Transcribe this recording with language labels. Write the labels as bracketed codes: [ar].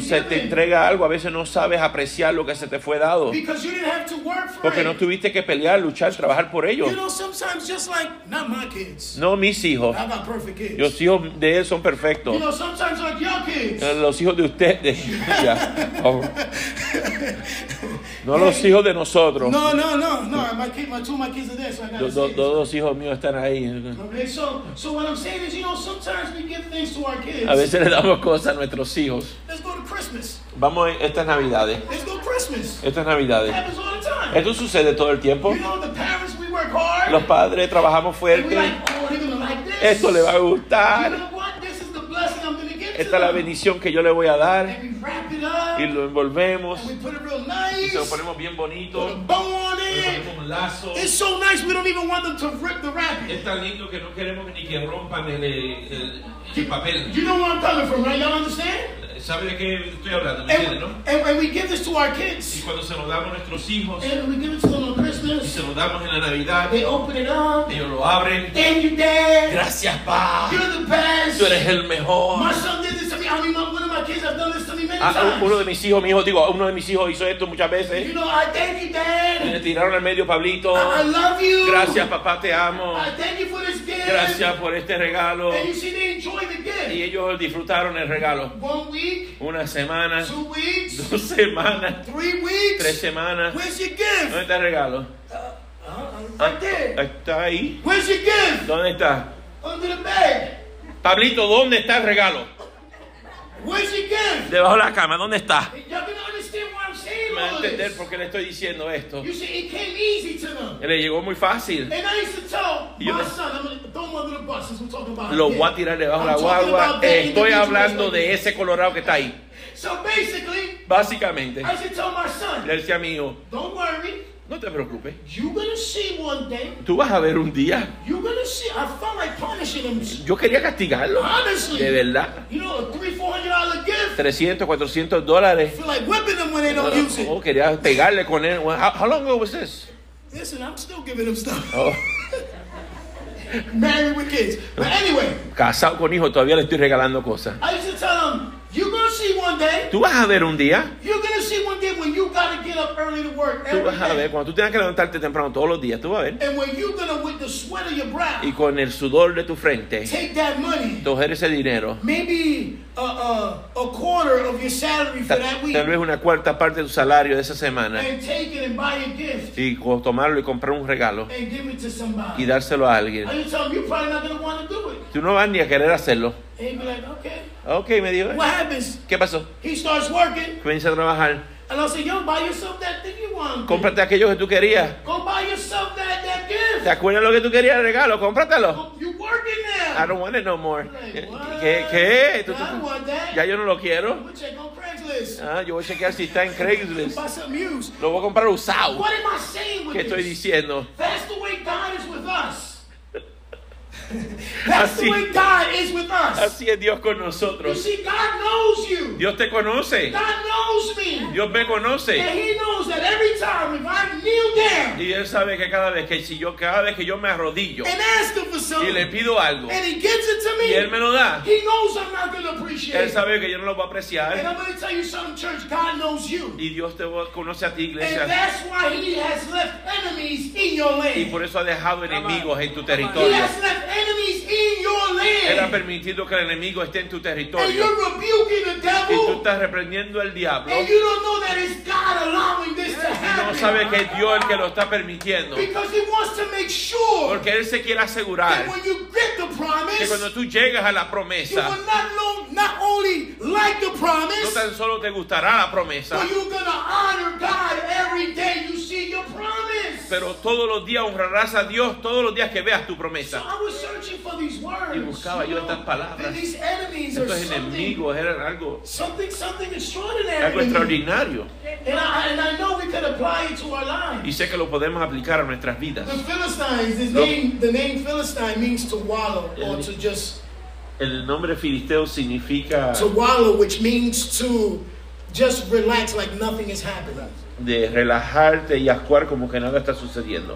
[es] se te entrega algo, a veces no sabes apreciar lo que se te fue dado. [en] Because you didn't have to work for [es] porque [en] it. [es] No tuviste que pelear, luchar, trabajar por ello. [en] You know, sometimes just like, not my kids. [es] No mis hijos. [en] I got perfect kids. [es] Los hijos de él son perfectos. [en] You know, sometimes like your kids. [es] Los hijos de ustedes. Yeah. Oh. No, hey, los hijos de nosotros. No. [en] My two kids are there, so I gotta say this. [es] Todos los hijos míos están ahí. [en] Okay, so what I'm saying is, you know, sometimes we give things to our kids. [es] A veces le damos cosas a nuestros hijos. [en] Let's go to Christmas. [es] Vamos estas Navidades. [en] Let's go to Christmas. [es] Estas Navidades. [en] It happens all the time. [es] Esto sucede todo el tiempo. [en] You know, the parents, we work hard. [es] Los padres trabajamos fuerte. [en] And we like, oh, they're gonna like this. [es] Esto le va a gustar. [en] You know what? This is the blessing I'm gonna give [es] esta [en] to them. [es] Es la bendición que yo le voy a dar. [en] And we wrap it up. [es] Y lo envolvemos. [en] And we put it real nice. Y se lo ponemos bien bonito. Put a bow on it. It's so nice we don't even want them to rip the wrapping. [es] Es tan lindo que no queremos ni que rompan el papel. [en] You know where I'm coming from, right? Y'all understand? [es] ¿Sabe de qué estoy hablando? ¿Me entiende, no? [en] And we give this to our kids. [es] Y cuando se lo damos a nuestros hijos. [en] And we give it to them on Christmas. [es] Y se lo damos en la Navidad. [en] They open it up. [es] Ellos lo abren. [en] Thank you, Dad. [es] Gracias, Pa. [en] You're the best. [es] Tú eres el mejor. [en] My son did this to me. I mean, one of my kids have done this to me many times. [es] Uno de mis hijos hizo esto muchas veces. [en] You know, I thank you, Dad. [es] Me tiraron al medio, Pablito. [en] I love you. [es] Gracias, papá, te amo. [en] I thank you for this gift. [es] Gracias por este regalo. [en] And you see, they enjoy the gift. [es] Y ellos disfrutaron el regalo. [en] One week. [es] Una semana. [en] Two weeks. [es] Dos semanas. [en] Three weeks. [es] Tres semanas. [en] Where's your gift? [es] ¿Dónde está el regalo? Está ahí. [en] Where's your gift? [es] ¿Dónde está? [en] Under the bed. [es] Pablito, ¿dónde está el regalo? [en] Where's your gift? [es] Debajo de la cama, ¿dónde está? Me va a entender por qué le estoy diciendo esto. [en] You see, it came easy to them. [es] Le llegó muy fácil. [en] And I used to tell my son, don't under the buses, we're talking about. [es] Lo voy a tirar debajo de la guagua. Estoy hablando de ese colorado que está ahí. [en] So basically, [es] básicamente, [en] I used to tell my son, [es] le decía a mi hijo, [en] don't worry. [es] No te preocupes. [en] You're gonna see one day. [es] Tú vas a ver un día. [en] You're gonna see. I felt like punishing him. [es] Yo quería castigarlo. [en] Honestly. [es] De verdad. [en] You know, $300-$400 gift. [es] $300-$400. [en] I feel like whipping him when they don't use it. [es] Oh, quería pegarle con él. [en] How long ago was this? Listen, I'm still giving him stuff. Married with kids. But anyway. [es] Casado con hijos, todavía le estoy regalando cosas. [en] I used to tell him, you're gonna see one day. [es] Tú vas a ver un día. [en] You're gonna see one day when you gotta get up early to work. [es] Tú vas a ver cuando tú tengas que levantarte temprano todos los días. Tú vas a ver. [en] And when you're gonna with the sweat of your brow. [es] Y con el sudor de tu frente. [en] Take that money. [es] Coger ese dinero. [en] Maybe a quarter of your salary for that week. [es] Tal vez una cuarta parte de tu salario de esa semana. [en] And take it and buy a gift. [es] Y tomarlo y comprar un regalo. [en] And give it to somebody. [es] Y dárselo a alguien. [en] And you tell them you're probably not gonna wanna do it. [es] Tú no vas ni a querer hacerlo. [en] And be like, okay. [es] Okay, me dijo. [en] What happens? [es] ¿Qué pasó? [en] He starts working. [es] Comienza a trabajar. [en] And I said, yo, buy yourself that thing you want. [es] Cómprate aquello que tú querías. [en] Go buy yourself that gift. [es] ¿Te acuerdas lo que tú querías, el regalo? Cómpratelo. [en] You're working now. I don't want it no more. Like, what? [es] ¿Qué? ¿Tú, tú? [en] I don't want that. [es] Ya yo no lo quiero. Yo voy a chequear si está en Craigslist. Lo voy a comprar usado. [en] What am I saying with [es] ¿qué [en] this? [es] Estoy diciendo? [en] That's the way God is with us. That's [es] así, [en] the way God is with us. [es] Así es Dios con nosotros. [en] You see, God knows you. [es] Dios te conoce. [en] God knows me. [es] Dios me conoce. [en] And He knows that every time if I kneel down. [es] Y él sabe que cada vez que yo me arrodillo. [en] And ask Him for something. [es] Y le pido algo. [en] And He gives it to me. [es] Y él me lo da. [en] He knows I'm not going to appreciate. [es] Él sabe que yo no lo voy a apreciar. [en] And I'm going to tell you something, church. God knows you. [es] Y Dios te conoce a ti, iglesia. [en] And that's why He has left enemies in your land. [es] Y por eso ha dejado enemigos en tu territorio. [en] He has left enemies in your land. [es] Era permitido que el enemigo esté en tu territorio. [en] And you're rebuking the devil. [es] Y tú estás reprendiendo al diablo. [en] And you don't know that it's God allowing this to happen. [es] No sabe que es Dios el que lo está permitiendo. [en] Because he wants to make sure. [es] Porque él se quiere asegurar. [en] That when you get the promise, [es] que cuando tú llegas a la promesa, [en] you will not only like the promise, [es] no tan solo te gustará la promesa, [en] but you're gonna honor God every day you see your promise. [es] Pero todos los días honrarás a Dios todos los días que veas tu promesa. [en] So I was searching for these words. [es] Y buscaba yo estas palabras. [en] These enemies [es] estos enemigos eran algo. [en] Something extraordinary. [es] Algo extraordinario. [en] And I know we could apply it to our lives. [es] Y sé que lo podemos aplicar a nuestras vidas. [en] The Philistines, the name Philistine means to wallow or to just. [es] El nombre filisteo significa. [en] To wallow, which means to just relax like nothing is happening. [es] De relajarte y actuar como que nada está sucediendo.